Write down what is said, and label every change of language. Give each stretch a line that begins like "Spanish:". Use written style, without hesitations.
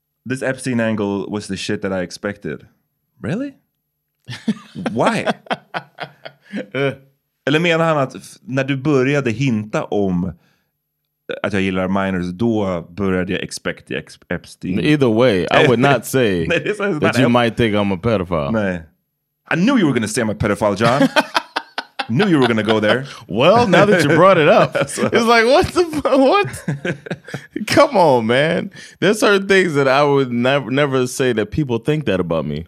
English: This Epstein angle was the shit that I expected. Really? Why?
Swedish: Eller menar han att när du började hinta om att jag gillar minors, då började jag
English: expect the Epstein? Either way, I would not say that you might think I'm a pedophile.
Swedish: Nej.
English: I knew you were going to say I'm a pedophile, John. Knew you were going to go there. Well, now that you brought it up, it's like, what the fuck? What? Come on, man. There's certain things that I would never say that people think that about me.